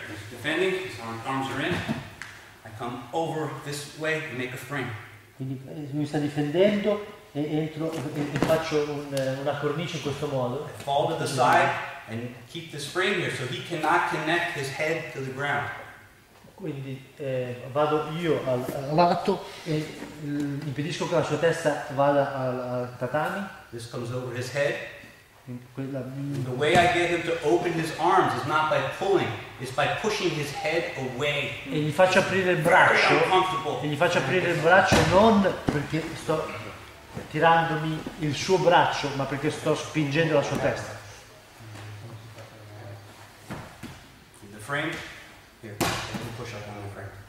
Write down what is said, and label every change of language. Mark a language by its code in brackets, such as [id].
[en] He's defending. His arms are in. I come over this way and make a frame. [it] quindi mi sta difendendo e entro e faccio una cornice in questo modo. [en] Fall to the side and keep the spring here so he cannot connect his head to the ground. [it] Quindi vado io al lato e impedisco che la sua testa vada al tatami. [en] This comes over his head. The way I get him to open his arms is not by pulling, it's by pushing his head away. [it] E gli faccio aprire il braccio. E gli faccio aprire il braccio non perché sto tirandomi il suo braccio, ma perché sto spingendo la sua testa. [en] In the frame. Here, let me push up on the frame.